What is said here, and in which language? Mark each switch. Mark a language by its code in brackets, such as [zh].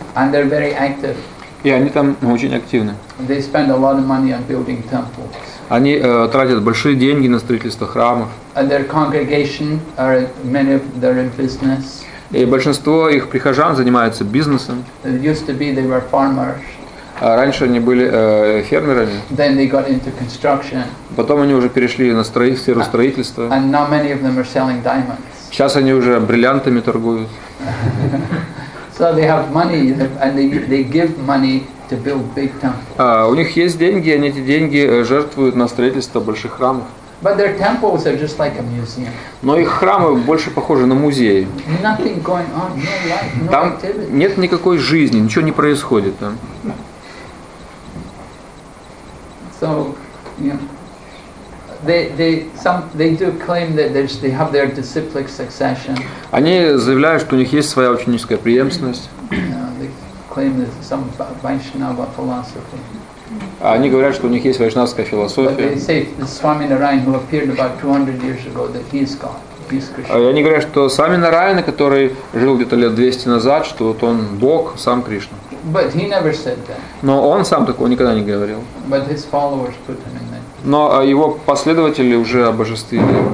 [en] And they're very active. [ru] И они там очень активны. [en] They spend a lot of money on building temples. [ru] Они тратят большие деньги на строительство храмов. [en] And their congregation are many of them in business. [ru] И большинство их прихожан занимаются бизнесом. [en] It used to be they were farmers. [ru] Раньше они были фермерами. [en] Then they got into construction. [ru] Потом они уже перешли на сферу строительства. [en] And now many of them are selling diamonds. [ru] Сейчас они уже бриллиантами торгуют. [en] So they have money and they give money to build big temples. [ru] У них есть деньги, они эти деньги жертвуют на строительство больших храмов. [en] But their temples are just like a museum. [ru] Но их храмы больше похожи на музеи. [en] Nothing going on, no life, no [ru] там [en] activity. [ru] Нет никакой жизни, ничего не происходит там. [en] So, yeah. They do claim that they have their disciplic succession. [ru] Они заявляют, что у них есть своя ученическая преемственность. [en] They claim that some Vaishnava philosophy. [ru] Они говорят, что у них есть вайшнавская философия. [en] But they say that Swami Narayan, who appeared about 200 years ago, that he's God, he's Krishna. [ru] Они говорят, что Свами Нараяна, который жил где-то лет 200 назад, что вот он Бог, сам Кришна. [en] But he never said that. [ru] Но он сам такого никогда не говорил. [en] But his followers put him in that. [ru] Но его последователи уже обожествили.